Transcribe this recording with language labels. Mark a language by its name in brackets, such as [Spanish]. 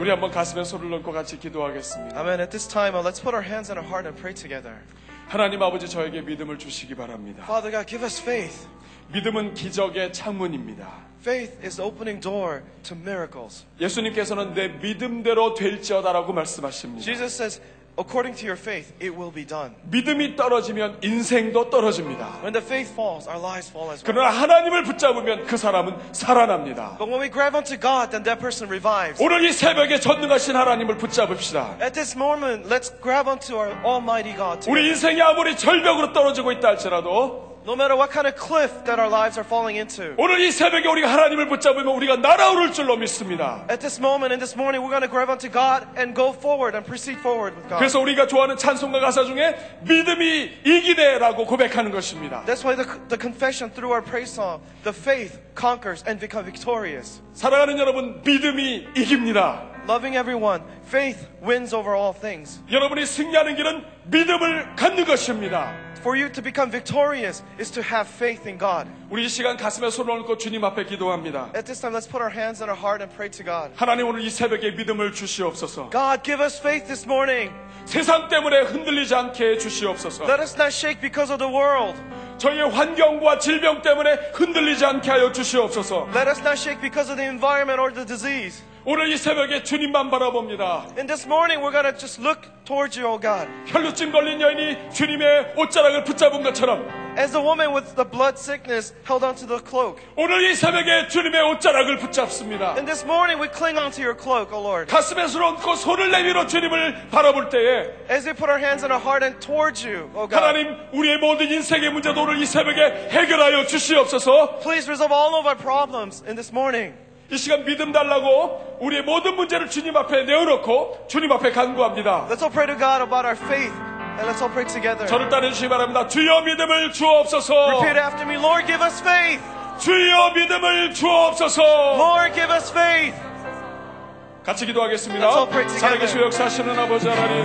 [Korean] 가슴에 손을 얹고 같이 기도하겠습니다. [English] Amen. At this time, let's put our hands on our heart and pray together. [Korean] 하나님 아버지 저에게 믿음을 주시기 바랍니다. [English] Father God, give us faith. [Korean] 믿음은 기적의 창문입니다. [English] Faith is the opening door to miracles. [Korean] 예수님께서는 내 믿음대로 될지어다라고 말씀하십니다. [English] Jesus says, according to your faith, it will be done. [Korean] 믿음이 떨어지면 인생도 떨어집니다. [English] When the faith falls, our lives fall as well. [Korean] 그러나 하나님을 붙잡으면 그 사람은 살아납니다. [English] But when we grab onto God, then that person revives. [Korean] 오늘 이 새벽에 전능하신 하나님을 붙잡읍시다. [English] At this moment, let's grab onto our Almighty God. [Korean] 우리 인생이 아무리 절벽으로 떨어지고 있다 할지라도 [English] No matter what kind of cliff that our lives are falling into. [Korean] 오늘 이 새벽에 우리가 하나님을 붙잡으면 우리가 날아오를 줄로 믿습니다. [English] At this moment and this morning we're going to grab onto God and go forward and proceed forward with God. [Korean] 그래서 우리가 좋아하는 찬송가 가사 중에 믿음이 이기네라고 고백하는 것입니다. [English] That's why the confession through our praise song, the faith conquers and becomes victorious. [Korean] 사랑하는 여러분, 믿음이 이깁니다. [English] Loving everyone, faith wins over all things. [Korean] 여러분이 승리하는 길은 믿음을 갖는 것입니다. [English] For you to become victorious is to have faith in God. [Korean] 우리 이 시간 가슴에 손을 얹고 주님 앞에 기도합니다. [English] At this time, let's put our hands on our heart and pray to God. [Korean] 하나님 오늘 이 새벽에 믿음을 주시옵소서. [English] God, give us faith this morning. [Korean] 세상 때문에 흔들리지 않게 주시옵소서. [English] Let us not shake because of the world. [Korean] 저희의 환경과 질병 때문에 흔들리지 않게 하여 주시옵소서. [English] Let us not shake because of the environment or the disease. [Korean] 오늘 이 새벽에 주님만 바라봅니다. [English] In this morning we're gonna just look towards you, O God. [Korean] 혈루증 걸린 여인이 주님의 옷자락을 붙잡은 것처럼. [English] As the woman with the blood sickness held onto the cloak. [Korean] 오늘 이 새벽에 주님의 옷자락을 붙잡습니다. [English] In this morning we cling onto your cloak, O Lord. [Korean] 가슴에 손을 얹고 손을 내밀어 주님을 바라볼 때에. [English] As we put our hands on our heart and towards you, O God. [Korean] 하나님, 우리의 모든 인생의 문제도 오늘 이 새벽에 해결하여 주시옵소서. [English] Please resolve all of our problems in this morning. [Korean] 이 시간 믿음 달라고 우리의 모든 문제를 주님 앞에 내어놓고 주님 앞에 간구합니다. [English] Let's all pray to God about our faith and let's all pray together. [Korean] 저를 따라주시기 바랍니다. 주여 믿음을 주옵소서. [English] Repeat after me. Lord, give us faith. [Korean] 주여 믿음을 주옵소서. [English] Lord, give us faith. [Korean] 같이 기도하겠습니다. [English] Let's all pray together. [Korean] 살아계시고 역사하시는 아버지 하나님.